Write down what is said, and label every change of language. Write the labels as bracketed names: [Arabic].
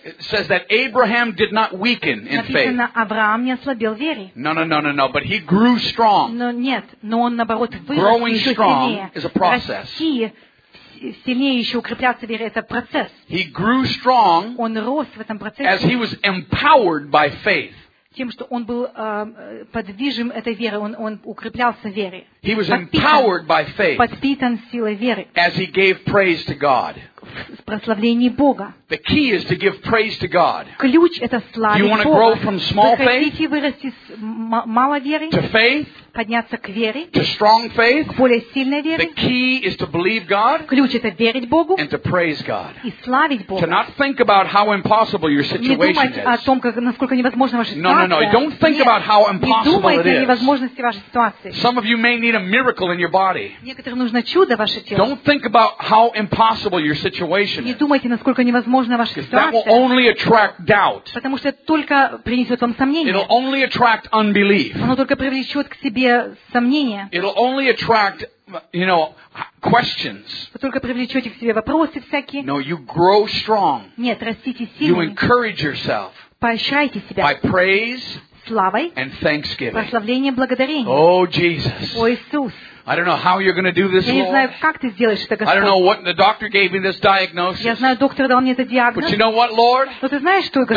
[English] It says that Abraham did not weaken in faith. [Russian] Написано, Авраам не ослабел в вере. [English] No. But he grew strong. [Russian] Но нет, но он наоборот вырос еще сильнее. [English] Growing strong is a process. [Russian] Сильнее еще укрепляться в вере – это процесс. [English] He grew strong. [Russian] Он рос в этом процессе. [English] As he was empowered by faith. [Russian] Тем, что он был подвижим этой верой, он укреплялся в вере. [English] He was empowered by faith. [Russian] Подпитан силой веры. [English] As he gave praise to God. [Russian] В прославлении Бога. [English] The key is to give praise to God. [Russian] Ключ – это славить Бога. [English] You want to grow from small faith? [Russian] Вы хотите вырасти с малой веры? [English] To faith? [Russian] Подняться к вере, [English] to strong faith, [Russian] к более сильной вере. [English] The key is to believe God, [Russian] ключ – это верить Богу [English] and to praise God. [Russian] И славить Бога. [English] To not think about how impossible your situation [Russian] не думать [English] is. [Russian] О том, как, насколько невозможна ваша ситуация. [English] No. Don't think [Russian] Нет. [English] About how impossible [Russian] не думайте [English] it [Russian] о невозможности вашей ситуации. [English] Some of you may need a miracle in your body. [Russian] Некоторым нужно чудо в вашем теле. [English] Don't think about how impossible your situation [Russian] не думайте, насколько невозможна ваша ситуация. [English] That will only attract doubt. [Russian] Потому что это только принесет вам сомнение. [English] It'll only attract unbelief. [Russian] Оно только привлечет к себе сомнения. [English] It'll only attract, you know, questions. [Russian] Вы только привлечете к себе вопросы всякие. [English] No, you grow strong. [Russian] Нет, растите сильнее. [English] You encourage yourself. [Russian] Поощряйте себя. [English] By praise. [Russian] Славой. [English] And thanksgiving. [Russian] Прославление, благодарение. [English] Oh, Jesus. [Russian] О, Иисус. [English] I don't know how you're going to do this. [Russian] Я не знаю, как ты сделаешь это, Господь. [English] I don't know what the doctor gave me this diagnosis. [Russian] Я знаю, доктор дал мне этот диагноз. [English] But you know what, Lord? [Russian] Но ты знаешь, что, Господь?